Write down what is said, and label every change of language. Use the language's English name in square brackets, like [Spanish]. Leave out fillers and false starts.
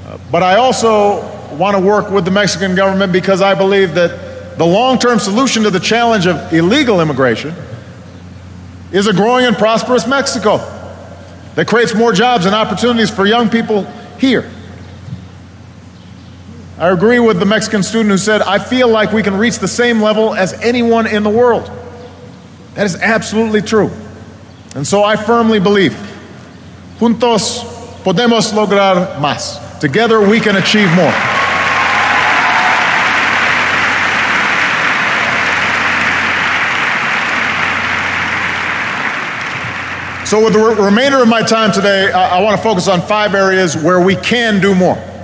[English] But I also want to work with the Mexican government because I believe that the long-term solution to the challenge of illegal immigration is a growing and prosperous Mexico that creates more jobs and opportunities for young people here. I agree with the Mexican student who said, "I feel like we can reach the same level as anyone in the world." That is absolutely true. And so I firmly believe, [Spanish] juntos podemos lograr más. [English] Together we can achieve more. So with the remainder of my time today, I want to focus on five areas where we can do more.